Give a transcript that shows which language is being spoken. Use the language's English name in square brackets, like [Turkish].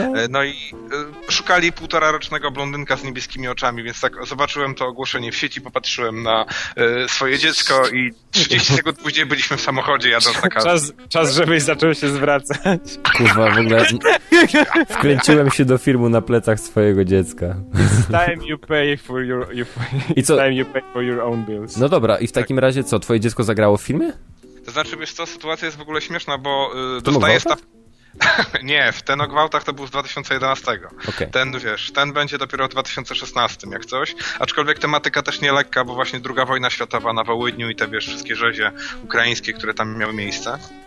[Polish] No i szukali półtorarocznego blondynka z niebieskimi oczami, więc tak zobaczyłem to ogłoszenie w sieci, popatrzyłem na swoje dziecko i 30 sekund później byliśmy w samochodzie, jadąc na kasę. Czas, żebyś zaczął się zwracać. Kurwa, w ogóle wkręciłem się do filmu na plecach swojego dziecka. [English] It's time you pay for your own bills. [Polish] No dobra, i w takim razie co, twoje dziecko zagrało w filmie? To znaczy, wiesz co, sytuacja jest w ogóle śmieszna, bo dostaje staw... Nie, ten o gwałtach to był z 2011. Okay. Ten, wiesz, ten będzie dopiero w 2016, jak coś. Aczkolwiek tematyka też nie lekka, bo właśnie Druga wojna światowa na Wołyniu i te, wiesz, wszystkie rzezie ukraińskie, które tam miały miejsce.